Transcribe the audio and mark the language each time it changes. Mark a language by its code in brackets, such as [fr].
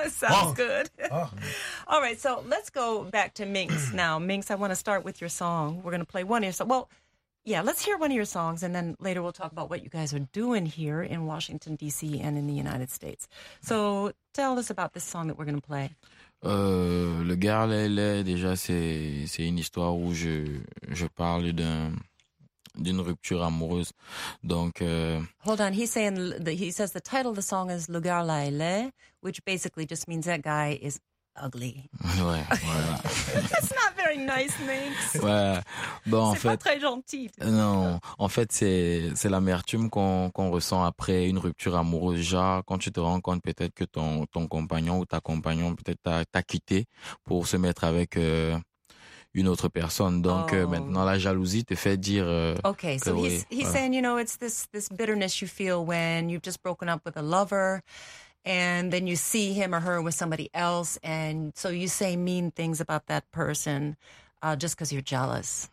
[en] Sounds good. All right, so let's go back to Minx now. Minx, I want to start with your song. We're going to play one of your songs. Well, yeah, let's hear one of your songs, and then later we'll talk about what you guys are doing here in Washington, D.C. and in the United States. So tell us about this song that we're going to play. [fr] Le gars, déjà, c'est une histoire où je parle d'une rupture amoureuse. Donc, [en] hold on, he says the title of the song is Le Gars Laile, which basically just means that guy is ugly. [fr] Ouais, ouais. [en] That's not very nice, Minx. [fr] Ouais. Bon, en fait, pas très gentil. Non, en fait, c'est l'amertume qu'on ressent après une rupture amoureuse. Genre, quand tu te rends compte peut-être que ton compagnon ou ta compagnon peut-être t'a quitté pour se mettre avec... une autre personne. Donc maintenant, la jalousie te fait dire... [en] Okay, so he's saying, you know, it's this bitterness you feel when you've just broken up with a lover and then you see him or her with somebody else and so you say mean things about that person just because you're jealous.